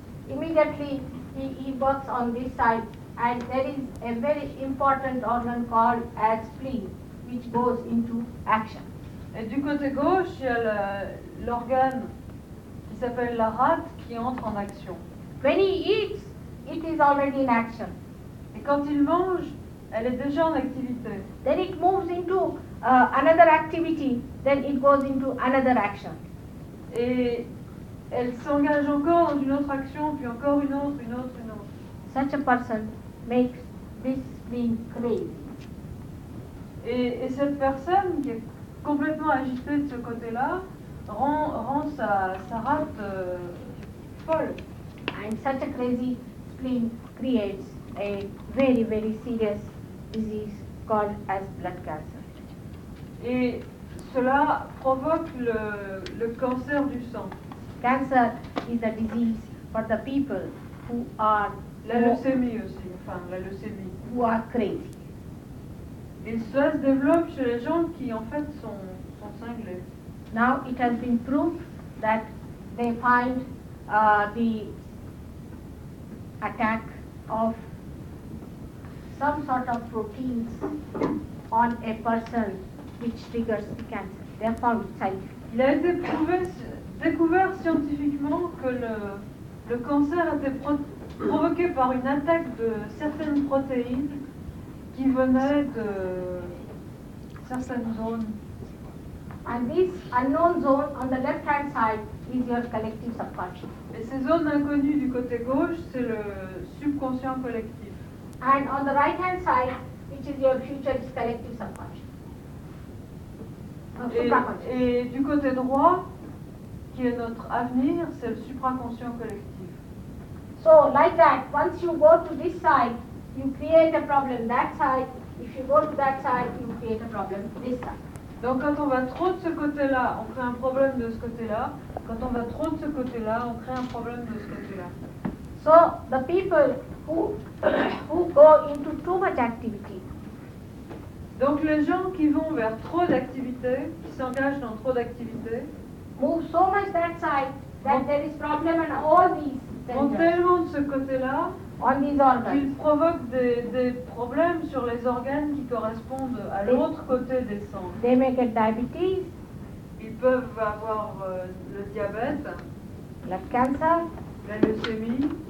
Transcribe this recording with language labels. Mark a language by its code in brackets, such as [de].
[en] Immediately, he works on this side, and there is a very important organ called as spleen, which goes into action. [fr] Et du côté gauche, il y a l'organe qui s'appelle la rate qui entre en action. [en] When he eats, it is already in action. [fr] Et quand il mange, elle est déjà en activité. [en] Then it moves into another activity, then it goes into another action. [fr] Elle s'engage encore dans une autre action, puis encore une autre, une autre, une autre. [en] Such a person makes this spleen crazy. [fr] Et cette personne qui est complètement agitée de ce côté-là rend sa rate folle. [en] And such a crazy spleen creates a very, very serious disease called as blood cancer. [fr] Et cela provoque le cancer du sang. [en] Cancer is a disease for the people who are [fr] la leucémie aussi, enfin la leucémie. [en] Who are crazy. [fr] Et cela se développe chez les gens qui en fait sont cinglés. [en] Now it has been proved that they find the attack of some sort of proteins on a person which triggers the cancer. They have found it scientifically. [fr] Découvert scientifiquement que le cancer était provoqué par une attaque de certaines protéines qui venaient de certaines zones. [en] and this unknown zone on the left hand side is your collective subconscious. [fr] Et ces zones inconnues du côté gauche, c'est le subconscient collectif. [en] And on the right hand side, which is your future collective subconscious. [fr] Et du côté droit, qui est notre avenir, c'est le supraconscient collectif. [en] So like that, once you go to this side, you create a problem that side. If you go to that side, you create a problem this side. [fr] Donc quand on va trop de ce côté-là, on crée un problème de ce côté-là. Quand on va trop de ce côté-là, on crée un problème de ce côté-là. [en] So the people who go into too much activity. [fr] Donc les gens qui vont vers trop d'activités, qui s'engagent dans trop d'activités, [en] move so much that side that there is problem in all these. [fr] Vont tellement de ce côté-là, [en] on these organs. [fr] Qu'ils provoquent des problèmes sur les organes qui correspondent à l'autre côté des centres. [en] They may get diabetes. [fr] Ils peuvent avoir le diabète, le cancer, la leucémie,